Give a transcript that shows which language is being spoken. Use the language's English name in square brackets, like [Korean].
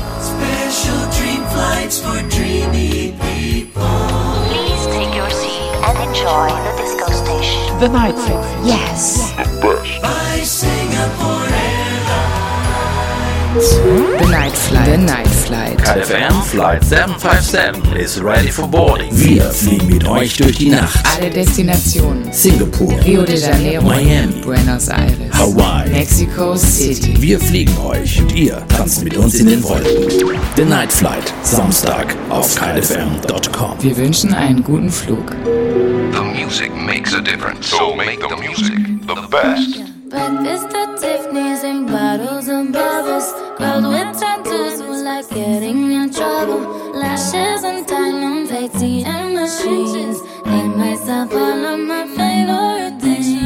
[English] Special dream flights for dreamy people. Please take your seat and enjoy the disco station. The night flight. Yes. By Singapore Airlines. The night flight. The night flight. Kite FM Flight 757 is ready for boarding. [German] Wir fliegen mit euch durch die Nacht. Alle Destinationen. Singapur. Rio de Janeiro. Miami. Buenos Aires. Hawaii. Mexico City. Wir fliegen euch und ihr tanzt mit uns in den Wolken. The Night Flight. Samstag auf kitefm.com. Wir wünschen einen guten Flug. [English] The music makes a difference. So make the music the best. Breakfast at Tiffany's and bottles of bubbles. Girls with tattoos who like getting in trouble. Lashes and diamonds, ATM machines. Name myself all of my favorite things.